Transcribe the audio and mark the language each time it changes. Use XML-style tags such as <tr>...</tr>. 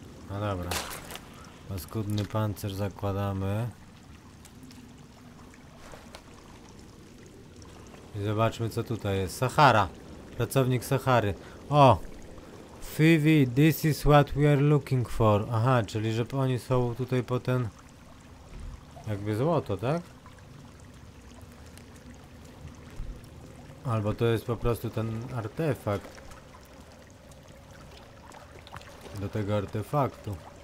<pl>No dobra. Paskudny pancerz zakładamy. I zobaczmy, co tutaj jest. Sahara. Pracownik Sahary. O!</pl> <en>Phoebe, this is what we are looking for.</en> <pl>Aha, czyli że oni są tutaj po ten... Jakby złoto, tak? Albo to jest po prostu ten artefakt. Do tego artefaktu.</pl>